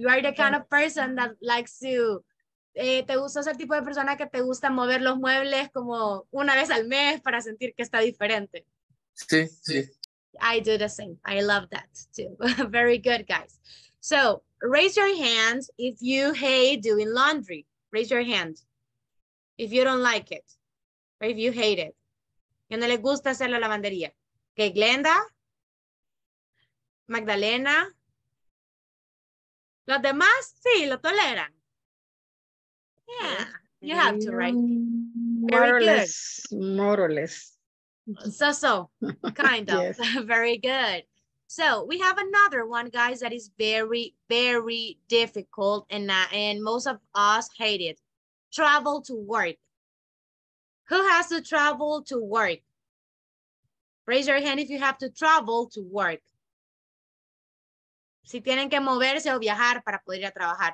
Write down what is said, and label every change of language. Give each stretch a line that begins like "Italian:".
English: You are the kind of person that likes to.
Spanish: ¿Te gusta ser el tipo de persona que te gusta mover los muebles como una vez al mes para sentir que está diferente? Sí, sí.
English: I do the same. I love that too. Very good, guys. So raise your hands if you hate doing laundry. Raise your hands if you don't like it. Or if you hate it.
Spanish: ¿Que no le gusta hacer la lavandería? ¿Que Glenda? ¿Magdalena? ¿Los demás? Sí, lo toleran.
English: Yeah, you have to, right? Very good. More or less. So, kind of. Yes. Very good. So, we have another one, guys, that is very, very difficult and most of us hate it. Travel to work. Who has to travel to work? Raise your hand if you have to travel to work.
Spanish: Si tienen que moverse o viajar para poder ir a trabajar.